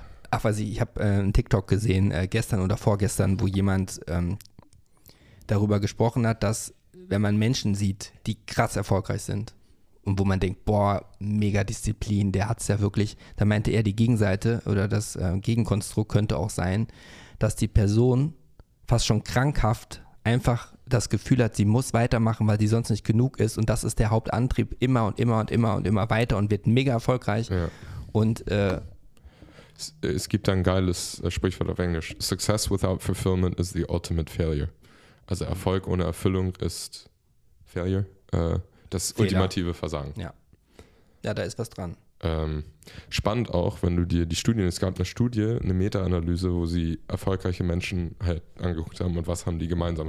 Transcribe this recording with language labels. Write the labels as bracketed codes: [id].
[de] Ach, weiß ich habe einen TikTok gesehen, gestern oder vorgestern, wo jemand darüber gesprochen hat, dass wenn man Menschen sieht, die krass erfolgreich sind und wo man denkt, boah, mega Disziplin, der hat es ja wirklich, da meinte er, die Gegenseite oder das Gegenkonstrukt könnte auch sein, dass die Person fast schon krankhaft einfach das Gefühl hat, sie muss weitermachen, weil sie sonst nicht genug ist und das ist der Hauptantrieb, immer und immer und immer und immer weiter und wird mega erfolgreich. Ja. Und es gibt ein geiles Sprichwort auf Englisch. [en] Success without fulfillment is the ultimate failure. [de] Also Erfolg ohne Erfüllung ist Failure. Das Fehler. Ultimative Versagen. Ja. Ja, da ist was dran. Spannend auch, wenn du dir die Studien, es gab eine Studie, eine Meta-Analyse, wo sie erfolgreiche Menschen halt angeguckt haben und was haben die gemeinsam.